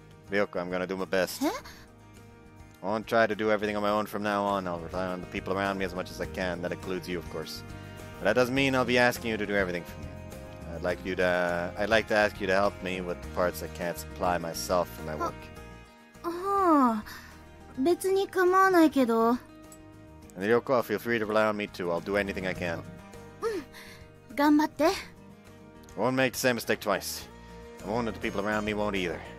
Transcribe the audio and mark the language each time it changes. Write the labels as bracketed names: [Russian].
[English] Ryoko, I'm gonna do my best. [Japanese] え? [English] I won't try to do everything on my own from now on. I'll rely on the people around me as much as I can. That includes you, of course. But that doesn't mean I'll be asking you to do everything for me. I'd like to ask you to help me with the parts I can't supply myself for my work. [Japanese] ああ、別に構わないけど。 [English] And Ryoko, feel free to rely on me too. I'll do anything I can. [Japanese] うん、頑張って。 [English] I won't make the same mistake twice. I won't let the people around me won't either.